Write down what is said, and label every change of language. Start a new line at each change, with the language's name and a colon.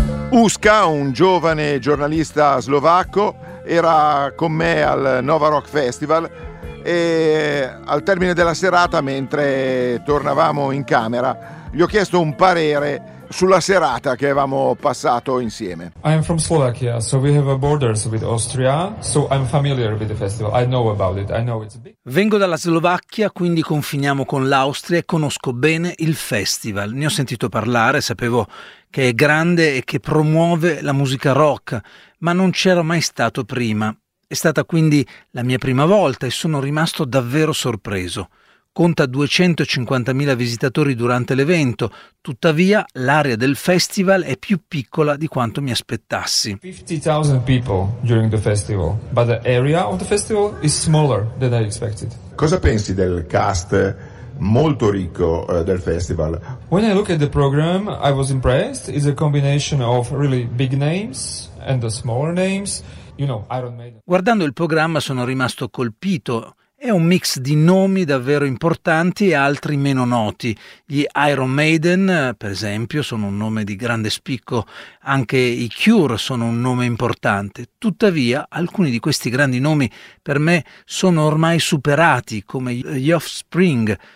Italian: Uska, un giovane giornalista slovacco, era con me al Nova Rock Festival e al termine della serata, mentre tornavamo in camera, gli ho chiesto un parere sulla serata che avevamo passato insieme.
English: I am from Slovakia, so we have borders with Austria, so I'm familiar with the festival. I know about it. I know it's big.
Italian: Vengo dalla Slovacchia, quindi confiniamo con l'Austria e conosco bene il festival. Ne ho sentito parlare, sapevo che è grande e che promuove la musica rock, ma non c'ero mai stato prima. È stata quindi la mia prima volta e sono rimasto davvero sorpreso. Conta 250.000 visitatori durante l'evento, tuttavia l'area del festival è più piccola di quanto mi aspettassi.
English: 50.000 people during the festival, but the area of the festival is smaller than I expected.
Italian: Cosa pensi del cast molto ricco del festival?
English: When I look at the program, I was impressed. It's a combination of really big names and the smaller names, you know, Iron Maiden.
Italian: Guardando il programma sono rimasto colpito. È un mix di nomi davvero importanti e altri meno noti. Gli Iron Maiden, per esempio, sono un nome di grande spicco. Anche i Cure sono un nome importante. Tuttavia, alcuni di questi grandi nomi per me sono ormai superati, come gli Offspring.